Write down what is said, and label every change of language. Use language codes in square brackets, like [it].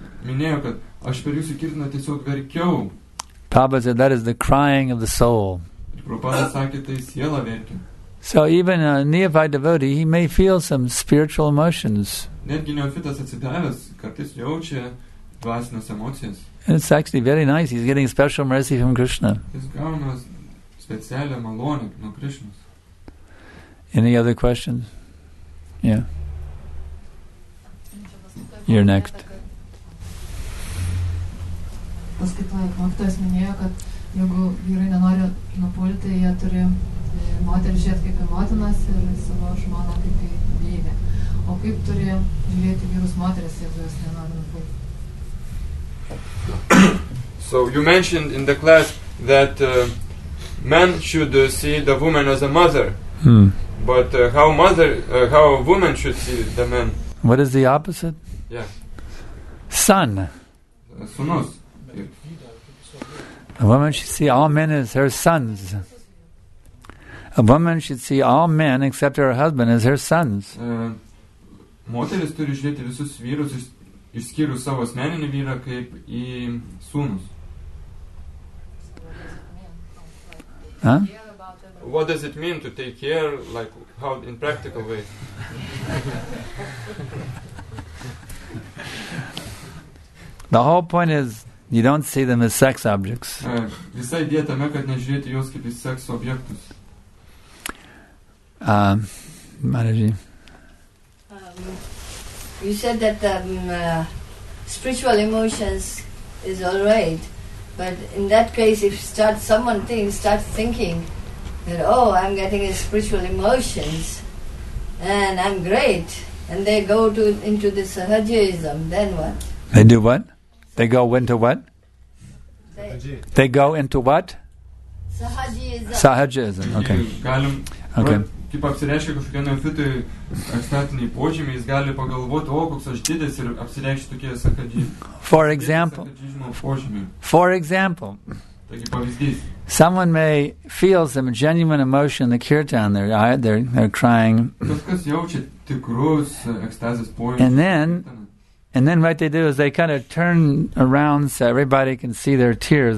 [lt] Minėjo, kad aš per jūsų kirtiną tiesiog verkiau. [en] Prabhupada said, that is the crying of the soul. [lt] Prabhupada sakė, tai siela verkia. [en] So even a neophyte devotee, he may feel some spiritual emotions. [lt] Netgi neofitas atsidavęs, kartais jaučia dvasinės emocijas. [en] It's actually very nice. He's getting special mercy from Krishna. [lt] Jis gauna specialią malonę nuo Krishnos. [en] Any other questions? Yeah. You're next. [lt] Paskaitoje mokytojas minėjo, kad jeigu vyrai nenori nupulti, jie turi moterį žiūrėti kaip į motinas ir savo žmoną kaip į dėvę. O kaip turi žiūrėti vyrus moteris, jeigu jos nenori nupulti? [en] So you mentioned in the class that men should see the woman as a mother. Hmm. But how a woman should see the man? What is the opposite? Yeah. Son. Sonos. A woman should see all men as her sons. A woman should see all men except her husband as her sons. [lt] Moteris turi žiūrėti visus vyrus išskyrus savo asmeninį vyrą kaip į sūnus. [en] Huh? What does it mean to take care, like, how in practical way? The whole point is you don't see them as sex objects. [lt] Visa idėja tame, kad nežiūrėti juos kaip į sekso objektus. [en] Maraji. You said that spiritual emotions is all right, but in that case, if someone starts thinking that, oh, I'm getting spiritual emotions and I'm great, and they go into the Sahajism, then what? They do what? They go into what? They go into what? Sahajism. Sahajism, okay. [lt] Kaip apsireiškia kažkokie neofitui ekstatiniai požymiai, jis gali pagalvoti, o koks aš didis ir apsireiškia tokie sakadžizmo požymiai. [en] For example, someone may feel some genuine emotion in the kirtan, they're crying. [lt] Kas jaučia tikrus ekstazės požymiai. [en] And then what they do is they kind of turn around so everybody can see their tears.